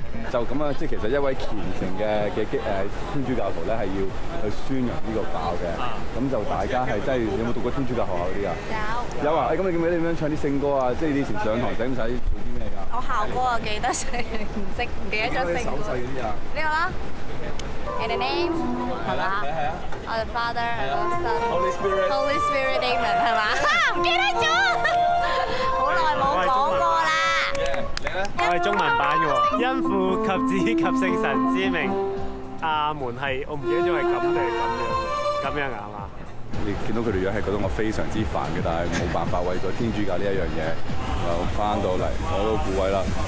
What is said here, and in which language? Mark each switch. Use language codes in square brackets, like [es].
[yue] 就咁啊，即其實一位虔誠嘅天主教徒咧，係要去宣揚呢個教嘅。咁就大家係真係有冇讀過天主教學校嗰啲啊？有。有啊！咁你記唔記得點樣唱啲聖歌啊？即以前上堂使唔使做啲咩㗎？我校歌啊，記得識，唔記得咗聖歌。手勢嗰啲啊？呢個啦。 [en] In the name, of the Father, Holy Spirit, Amen, [yue] 係嘛？唔記得咗，好耐冇講過啦。我係中文版嘅喎，因父及子及聖神之名，阿門係，我唔記得咗係咁定係咁樣啊嘛。你見到佢哋樣係覺得我非常之煩嘅，但係冇辦法，為咗天主教呢一樣嘢，就翻到嚟攞到顧位啦。